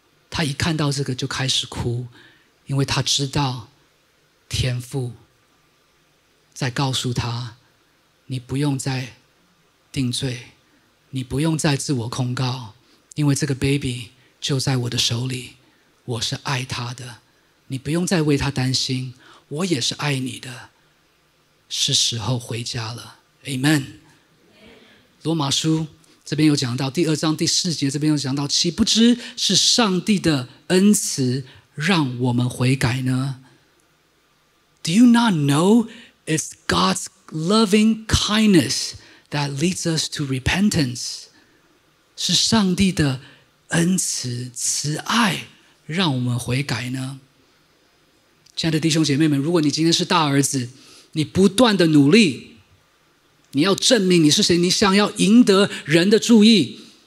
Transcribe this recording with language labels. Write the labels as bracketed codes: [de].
[zh] 他一看到这个就开始哭，因为他知道天父在告诉他，你不用再定罪，你不用再自我控告，因为这个 baby 就在我的手里，我是爱他的，你不用再为他担心，我也是爱你的，是时候回家了。 [en] Amen。 [zh] 罗马书这边有讲到第二章第四节，这边有讲到，岂不知是上帝的恩慈让我们悔改呢？ [en] Do you not know it's God's loving kindness that leads us to repentance？ [zh] 是上帝的恩慈慈爱让我们悔改呢？亲爱的弟兄姐妹们，如果你今天是大儿子，你不断的努力，你要证明你是谁，你想要赢得人的注意，